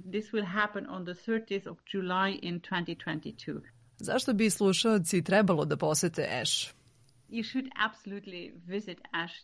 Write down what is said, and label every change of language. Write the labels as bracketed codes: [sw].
[en] This will happen on the 30th of July in 2022. [sr] Zašto bi slušalci trebalo da posete Eš? [en] You should absolutely visit Ash.